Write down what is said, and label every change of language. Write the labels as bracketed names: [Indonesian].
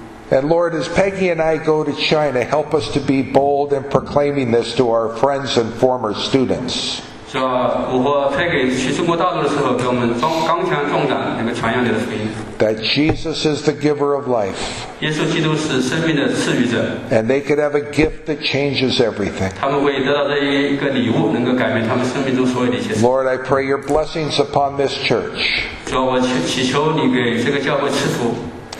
[English] And Lord, as Peggy and I go to China, help us to be bold in proclaiming this to our friends and former students. [Chinese] 是吧？我和派给去中国大陆的时候，给我们刚强壮胆那个传扬你的福音。 [English] That Jesus is the giver of life. [Chinese] 耶稣基督是生命的赐予者。 [English] And they could have a gift that changes everything. [Chinese] 他们会得到这一个礼物，能够改变他们生命中所有的一切。 [English] Lord, I pray your blessings upon this church. [Chinese] 主啊，我祈求你给这个教会赐福。